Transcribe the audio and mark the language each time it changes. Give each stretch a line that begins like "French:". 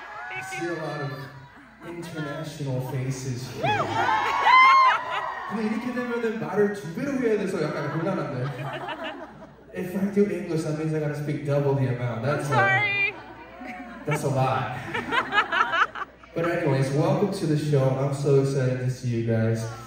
English: I see a lot of international faces here.
Korean: 근데 이렇게 되면은 말을 두 배로 해야 돼서 약간 곤란한데.
English: If I do English, that means I gotta speak double the amount. That's a lot. But anyways, welcome to the show. I'm so excited to see you guys.